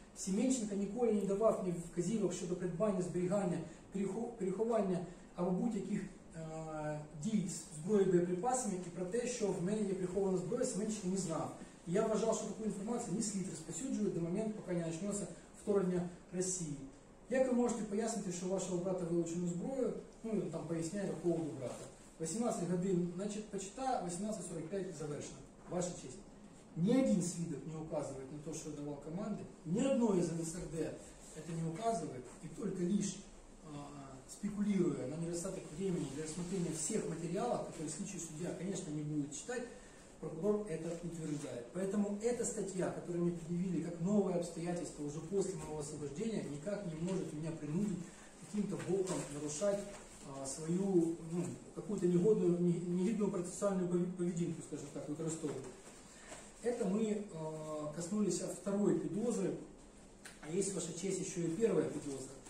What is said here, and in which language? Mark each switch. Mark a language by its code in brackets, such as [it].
[uk] Семенченко ніколи не давав ні вказівок щодо придбання, зберігання, переховання або будь-яких дій з зброєю боєприпасами, і про те, що в мене є прихована зброя, Семенченко не знав. І я вважав, що таку інформацію не слід розповсюджувати до моменту, поки не почнеться вторгнення Росії. Як ви можете пояснити, що вашого брата вилучено зброю? Ну, там поясняє, поводу брата. 18 годин, значить, почитаю, 18:45 завершено. Ваша честь. Ні один свідок не указує на те, що я давав команди. Ні одної з НСРД це не указує. І тільки лише спекулює [ru] на недостаток времени для рассмотрения [uk] всіх матеріалів, які слідчий суддя, звісно, не буде читати, прокурор [ru] это утверждает. Поэтому эта статья, которую мне предъявили как новое обстоятельство уже после моего освобождения, никак не может меня принудить каким-то боком нарушать свою какую-то негидную процессуальную поведенку, скажем так, выкористовывать. Это мы коснулись второй подозры, а есть, ваша честь, еще и первая подозра.